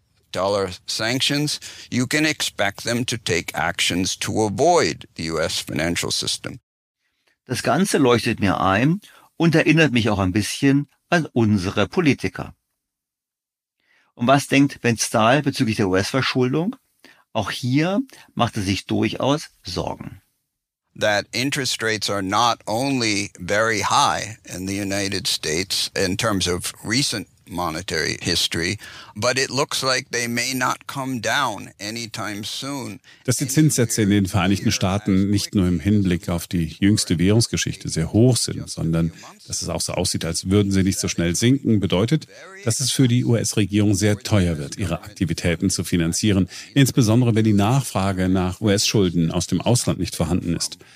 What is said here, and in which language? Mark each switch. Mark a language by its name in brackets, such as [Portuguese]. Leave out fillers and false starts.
[English] Dollar sanctions, you can expect them to take actions to avoid the US financial system. [German] Das Ganze leuchtet mir ein und erinnert mich auch ein bisschen an unsere Politiker. Und was denkt Ben Stahl bezüglich der US-Verschuldung? Auch hier macht er sich durchaus Sorgen. [English] That interest rates are not only very high in the United States in terms of recent monetary history, but it looks like they may not come down anytime soon. [German] Dass die Zinssätze in den Vereinigten Staaten nicht nur im Hinblick auf die jüngste Währungsgeschichte sehr hoch sind, sondern dass es auch so aussieht, als würden sie nicht so schnell sinken, bedeutet, dass es für die US-Regierung sehr teuer wird, ihre Aktivitäten zu finanzieren, insbesondere wenn die Nachfrage nach US-Schulden aus dem Ausland nicht vorhanden ist.